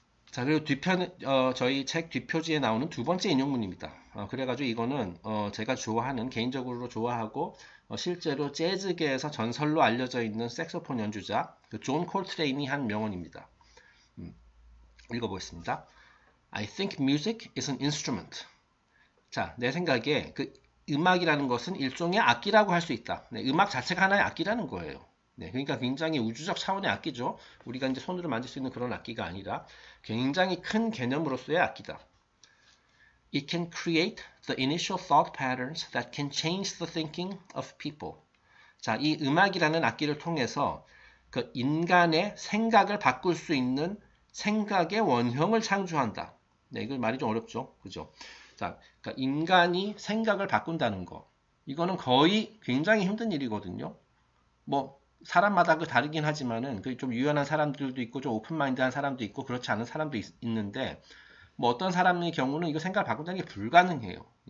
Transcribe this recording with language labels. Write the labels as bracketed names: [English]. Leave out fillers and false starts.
[Korean] 자, 그리고 뒤편 저희 책 뒤표지에 나오는 두 번째 인용문입니다. 그래가지고 이거는 제가 좋아하는 개인적으로 좋아하고 실제로 재즈계에서 전설로 알려져 있는 색소폰 연주자 그존 콜트레인이 한 명언입니다. 읽어보겠습니다. [English] I think music is an instrument. [Korean] 자, 내 생각에 그 음악이라는 것은 일종의 악기라고 할수 있다. 네, 음악 자체가 하나의 악기라는 거예요. 네, 그러니까 굉장히 우주적 차원의 악기죠. 우리가 이제 손으로 만질 수 있는 그런 악기가 아니라 굉장히 큰 개념으로서의 악기다. [English] It can create the initial thought patterns that can change the thinking of people. [Korean] 자, 이 음악이라는 악기를 통해서 그 인간의 생각을 바꿀 수 있는 생각의 원형을 창조한다. 네, 이거 말이 좀 어렵죠. 그죠? 자, 그러니까 인간이 생각을 바꾼다는 거. 이거는 거의 굉장히 힘든 일이거든요. 뭐, 사람마다 그 다르긴 하지만은, 그좀 유연한 사람들도 있고, 좀 오픈마인드한 사람도 있고, 그렇지 않은 사람도 있는데, 뭐, 어떤 사람의 경우는 이거 생각을 바꾼다는 게 불가능해요.